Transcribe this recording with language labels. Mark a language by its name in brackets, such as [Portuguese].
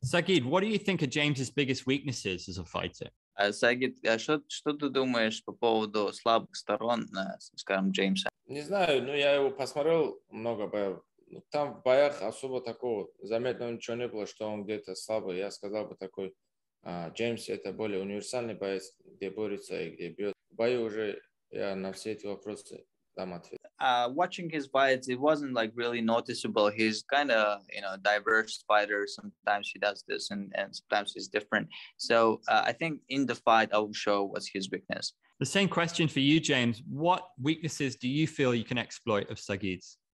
[English] Saygid, what do you think of James's biggest weaknesses as a fighter? [Russian] Saygid, что ты думаешь по поводу слабых сторон, скажем, Джеймса? Не знаю, я его посмотрел много боев. Там в боях особо такого заметного ничего не было, что он где-то слабый. Я сказал бы такой, Джеймс – это более универсальный боец, где борется и где бьет. В бою уже я на все эти вопросы [English] Watching his fights, it wasn't like really noticeable. He's kind of, you know, diverse fighter. Sometimes he does this and sometimes he's different. So I think in the fight, I will show what's his weakness. The same question for you, James. What weaknesses do you feel you can exploit of Saygid's?